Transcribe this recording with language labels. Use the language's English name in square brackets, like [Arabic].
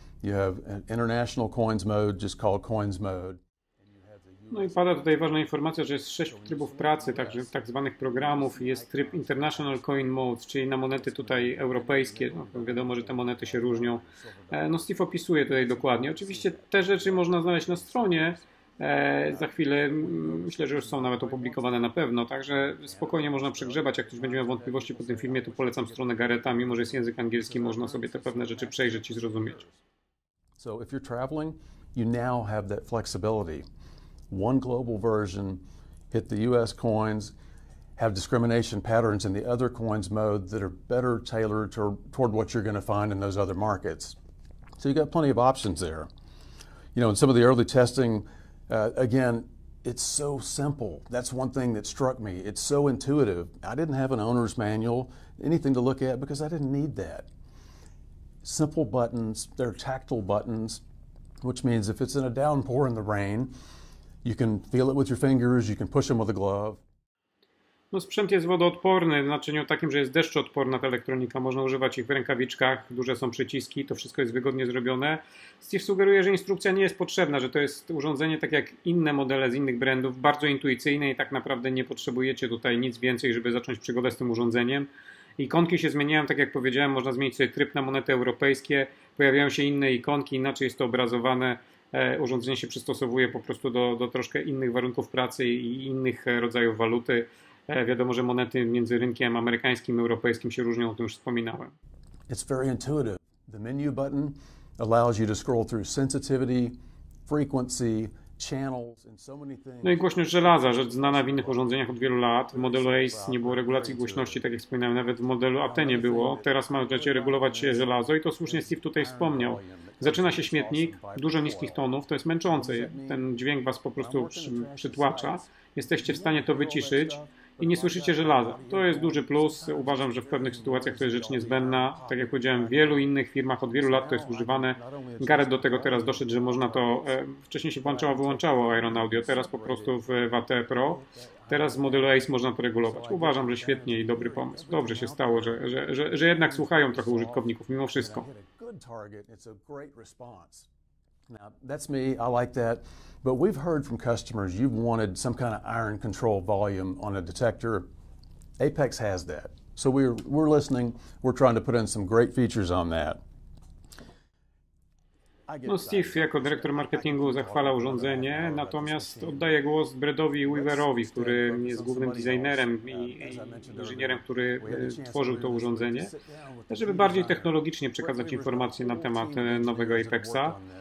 [English] You have an international coins mode, just called coins mode. [Polish] No i pada tutaj ważna informacja, że jest sześć trybów pracy, także tak zwanych programów, jest tryb International Coin Mode, czyli na monety tutaj europejskie, no, wiadomo, że te monety się różnią. No Steve opisuje tutaj dokładnie. Oczywiście te rzeczy można znaleźć na stronie, za chwilę, myślę, że już są nawet opublikowane na pewno, także spokojnie można przegrzebać, jak ktoś będzie miał wątpliwości po tym filmie, to polecam stronę Garetta, mimo że jest język angielski, można sobie te pewne rzeczy przejrzeć i zrozumieć. [English] So if you're traveling, you now have that flexibility. One global version hit the US coins, have discrimination patterns in the other coins mode that are better tailored toward what you're going to find in those other markets. So you got plenty of options there. In some of the early testing, again, it's so simple. That's one thing that struck me. It's so intuitive. I didn't have an owner's manual, anything to look at because I didn't need that. Simple buttons, they're tactile buttons, which means if it's in a downpour in the rain, you can feel it with your fingers, you can push them with a glove. [Polish] No sprzęt jest wodoodporny, w znaczeniu takim, że jest deszczoodporna ta elektronika, można używać ich w rękawiczkach, duże są przyciski, to wszystko jest wygodnie zrobione. Steve sugeruje, że instrukcja nie jest potrzebna, że to jest urządzenie tak jak inne modele z innych brandów, bardzo intuicyjne i tak naprawdę nie potrzebujecie tutaj nic więcej, żeby zacząć przygodę z tym urządzeniem. Ikonki się zmieniają, tak jak powiedziałem, można zmienić sobie tryb na monety europejskie, pojawiają się inne ikonki, inaczej jest to obrazowane. Urządzenie się przystosowuje po prostu do troszkę innych warunków pracy i innych rodzajów waluty. Wiadomo, że monety między rynkiem amerykańskim i europejskim się różnią, o tym już wspominałem. It's very intuitive. The menu button allows you to scroll through sensitivity, frequency, channels and so many things. No i głośność żelaza, rzecz znana w innych urządzeniach od wielu lat. W modelu Ace nie było regulacji głośności, tak jak wspominałem, nawet w modelu Atenie było. Teraz możecie regulować żelazo i to słusznie Steve tutaj wspomniał. Zaczyna się śmietnik, dużo niskich tonów, to jest męczące, ten dźwięk was po prostu przytłacza. Jesteście w stanie to wyciszyć i nie słyszycie żelaza. To jest duży plus, uważam, że w pewnych sytuacjach to jest rzecz niezbędna. Tak jak powiedziałem, w wielu innych firmach od wielu lat to jest używane. Garrett do tego teraz doszedł, że można to, wcześniej się włączało, wyłączało Iron Audio, teraz po prostu w AT Pro. Teraz z modelu Ace można to regulować. Uważam, że świetnie i dobry pomysł. Dobrze się stało, że jednak słuchają trochę użytkowników mimo wszystko. [English] Target, it's a great response. Now, that's me, I like that. But we've heard from customers you've wanted some kind of iron control volume on a detector. Apex has that. So we're listening, we're trying to put in some great features on that. [Polish] No Steve jako dyrektor marketingu zachwala urządzenie, natomiast oddaję głos Bredowi Weaverowi, który jest głównym designerem i inżynierem, który tworzył to urządzenie, żeby bardziej technologicznie przekazać informacje na temat nowego Apexa.